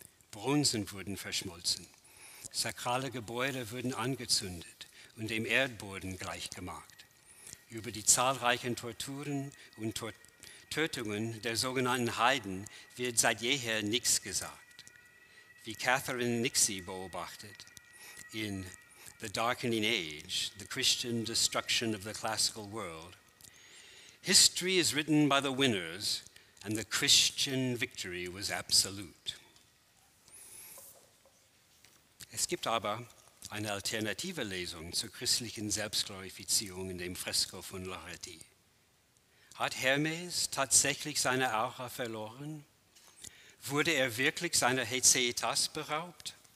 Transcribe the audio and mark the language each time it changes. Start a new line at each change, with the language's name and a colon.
German: Bronzen wurden verschmolzen, sakrale Gebäude wurden angezündet und dem Erdboden gleichgemacht. Über die zahlreichen Torturen und Tötungen der sogenannten Heiden wird seit jeher nichts gesagt. Wie Catherine Nixie beobachtet in
English: The Darkening Age, The Christian Destruction of the Classical World, History is written by the winners, and the Christian victory was absolute.
German: Es gibt aber eine alternative Lesung zur christlichen Selbstglorifizierung in dem Fresko von Loretti. Hat Hermes tatsächlich seine Aura verloren? Wurde er wirklich seiner Hezeitas beraubt?